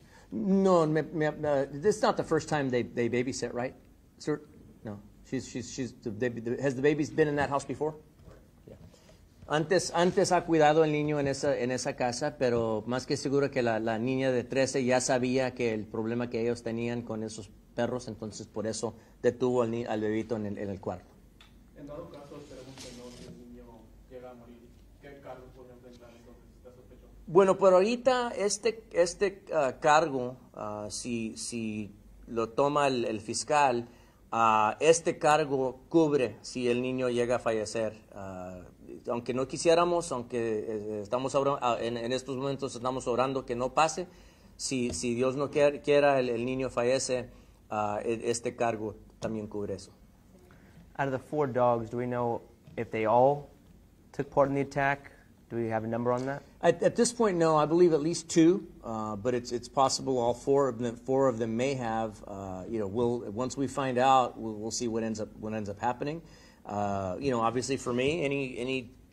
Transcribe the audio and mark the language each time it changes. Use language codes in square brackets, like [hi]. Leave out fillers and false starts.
[en] No, this is not the first time they babysit, right? Sir, no. Has the baby been in that house before? Yeah. [es] Antes ha cuidado el niño en esa casa, pero más que seguro que la niña de 13 ya sabía que el problema que ellos tenían con esos perros, entonces por eso detuvo al bebito en el cuarto. En dado caso, esperemos que no, si el niño llega a morir, ¿qué cargo podría enfrentar entonces? Bueno, pero ahorita este cargo, si lo toma el fiscal, este cargo cubre si el niño llega a fallecer. Aunque no quisiéramos, aunque estamos en estos momentos estamos orando que no pase, si Dios no quiera el niño fallece, este cargo también cubre eso. [en] Out of the four dogs, do we know if they all took part in the attack? Do we have a number on that? At this point, no. I believe at least two, but it's possible all four of them may have. Once we find out, we'll see what ends up happening. You know, obviously for me, any